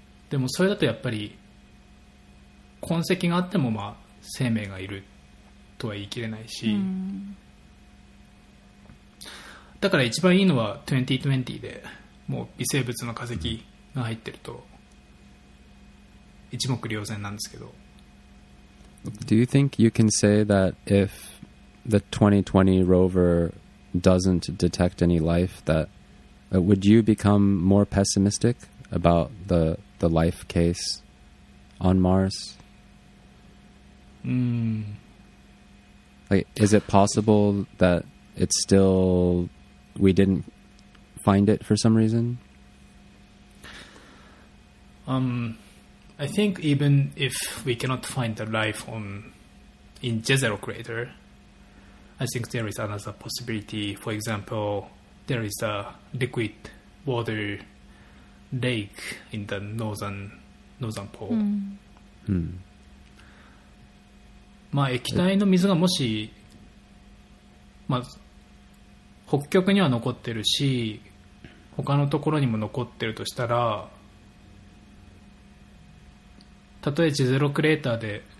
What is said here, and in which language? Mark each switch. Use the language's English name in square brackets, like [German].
[Japanese] でもそれだとやっぱり痕跡があってもまあ生命がいるとは言い切れないし、うん、だから一番いいのは2020でもう微生物の化石が入ってると一目瞭然なんですけど。 [English] Do you think you can say that if the 2020 rover doesn't detect any life, that would you become more pessimistic about the life case on Mars? Like, is it possible that it's still... We didn't find it for some reason? I think even if we cannot find the life in Jezero crater, I think there is another possibility. For example, there is a liquid water lake in the northern pole. [Japanese] まあ液体の水がもし、まあ北極には残ってるし、他のところにも残ってるとしたら、たとえジゼロクレーターで